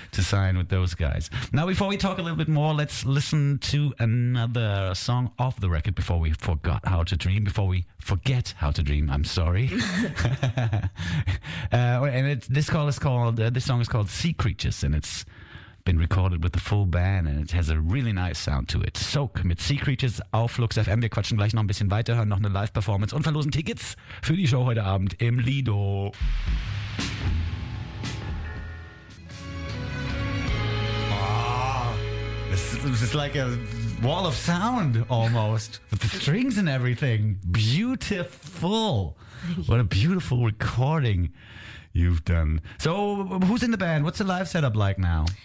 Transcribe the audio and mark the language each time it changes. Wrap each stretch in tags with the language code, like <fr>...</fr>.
<en>to sign with those guys. Now, before we talk a little bit more, let's listen to another song off the record before we forgot how to dream. Before we forget how to dream, I'm sorry. and it, this call is called this song is called Sea Creatures, and it's been recorded with the full band, and it has a really nice sound to it.</en> <de>Soak mit Sea Creatures auf Lux FM. Wir quatschen gleich noch ein bisschen weiter, hören noch eine Live-Performance und verlosen Tickets für die Show heute Abend im Lido.</de> <en>Oh, this is like a wall of sound almost, with the strings and everything. Beautiful. What a beautiful recording you've done. So who's in the band? What's the live setup like now?</en>